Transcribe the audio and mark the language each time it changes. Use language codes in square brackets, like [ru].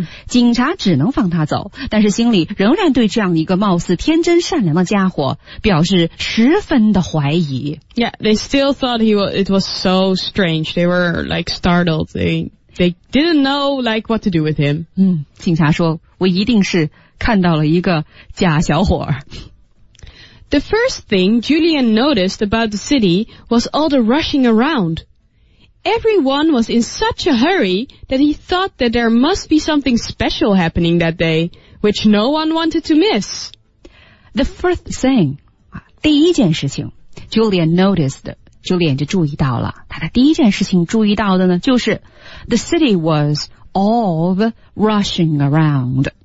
[zh] 警察只能放他走，但是心里仍然对这样一个貌似天真善良的家伙表示十分的怀疑。 [en] Yeah, they still thought it was so strange. They were like startled. They didn't know like what to do with him. [zh] 警察说，我一定是看到了一个假小伙。 [en] The first thing Julian noticed about the city was all the rushing around. Everyone was in such a hurry that he thought that there must be something special happening that day, which no one wanted to miss. The first thing, [zh] 第一件事情 [en] Julian noticed, [zh] Julian 就注意到了，他的第一件事情注意到的呢，就是 [en] the city was all rushing around.